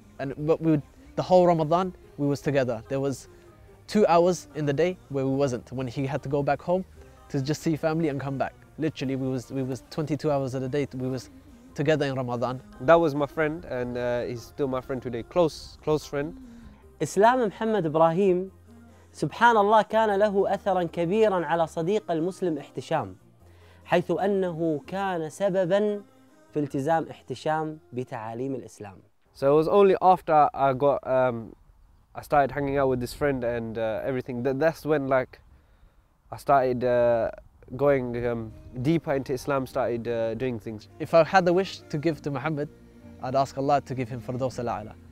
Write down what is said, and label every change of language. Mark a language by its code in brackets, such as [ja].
[en] But we would, the whole Ramadan, we was together. There was 2 hours in the day where we wasn't, when he had to go back home to just see family and come back. Literally, we was 22 hours of the day, we was together in Ramadan. That was my friend, and he's still my friend today. Close friend. [ar] Islam Muhammad Ibrahim, سبحان الله كان له أثرا كبيرا على صديق المسلم احتشام حيث أنه كان سببا في التزام احتشام بتعاليم الإسلام. [en] So it was only after I got I started hanging out with this friend and everything, that's when like I started going deeper into Islam, started doing things. If I had the wish to give to Muhammad, I'd ask Allah to give him Firdaws al-A'la.